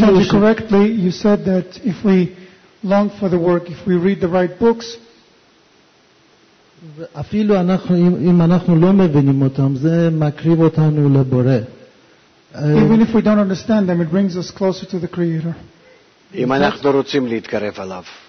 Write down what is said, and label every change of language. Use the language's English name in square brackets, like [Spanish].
[English] correctly, you said that if we long for the work, if we read the right books, [Hebrew] אפילו אנחנו, אם אנחנו לא מבינים אותם, זה מקריב אותנו לבורא. [English] Even if we don't understand them, it brings us closer to the Creator. [Hebrew] אם אנחנו רוצים להתקרב אליו.